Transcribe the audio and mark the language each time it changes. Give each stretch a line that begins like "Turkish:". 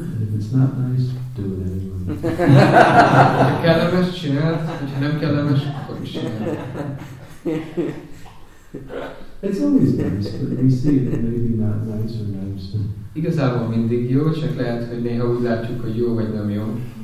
English: And if it's not nice, do it anyway.
Hungarian: Ha kellemes, csináld. Ha nem kellemes, akkor is csináld.
English: It's always nice, but we see it maybe not nice or nice.
Hungarian: Igazából mindig jó, csak lehet, hogy néha úgy látjuk, hogy jó vagy nem jó.